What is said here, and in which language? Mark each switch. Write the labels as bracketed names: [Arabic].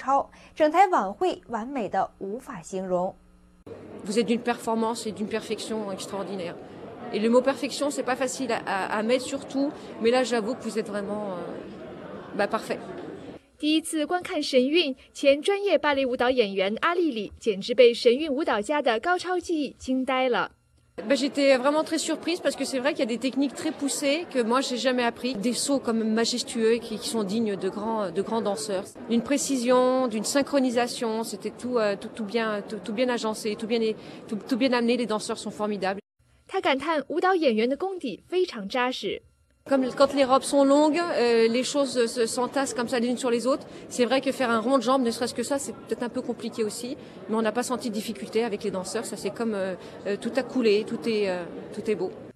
[Chinese] 美国神韵纽约艺术团在加拿大蒙特利尔的五场演出吸引了当地众多艺术界人士。法蒂玛·阿利里是前欧洲专业芭蕾舞蹈演员，她和女儿一同观看了1月6号的最后一场演出。她感叹神韵舞蹈演员技艺高超，整台晚会完美的无法形容。 [French] Vous êtes d'une performance et d'une perfection extraordinaire. Et le mot perfection, c'est pas facile à mettre sur tout, mais là, j'avoue que vous êtes vraiment parfait. [Chinese] 第一次观看神韵，前专业芭蕾舞蹈演员阿丽丽简直被神韵舞蹈家的高超技艺惊呆了。 [French] J'étais vraiment très surprise parce que c'est vrai qu'il y a des techniques très poussées que moi j'ai jamais appris, des sauts comme majestueux qui sont dignes de grands danseurs, d'une précision, d'une synchronisation, c'était tout bien agencé, tout bien amené, les danseurs sont formidables. [Chinese] 她感叹舞蹈演员的功底非常扎实。 [French] Comme quand les robes sont longues, les choses s'entassent comme ça les unes sur les autres. C'est vrai que faire un rond de jambe, ne serait-ce que ça, c'est peut-être un peu compliqué aussi. Mais on n'a pas senti de difficulté avec les danseurs. Ça, c'est comme tout a coulé, tout est beau.